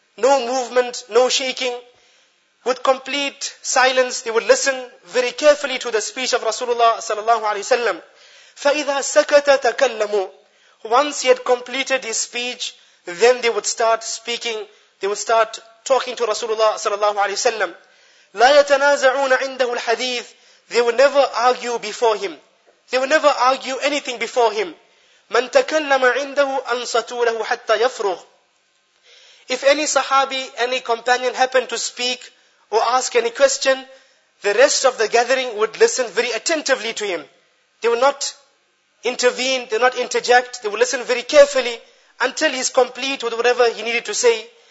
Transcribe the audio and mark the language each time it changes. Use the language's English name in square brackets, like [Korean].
[English] No movement, no shaking. With complete silence, they would listen very carefully to the speech of Rasulullah sallallahu alayhi wa sallam. [Arabic] فَإِذَا سَكَتَ تَكَلَّمُوا. [English] Once he had completed his speech, then they would start speaking. They would start talking to Rasulullah sallallahu alayhi wa sallam. [Arabic] لا يتنازعون عنده الحديث. [English] They would never argue before him. They would never argue anything before him. [Arabic] من تكلم عنده أنصتوا له حتى يفرغ. [English] If any Sahabi, any companion happened to speak or ask any question, the rest of the gathering would listen very attentively to him. They would not intervene, they would not interject, they would listen very carefully until he's complete with whatever he needed to say.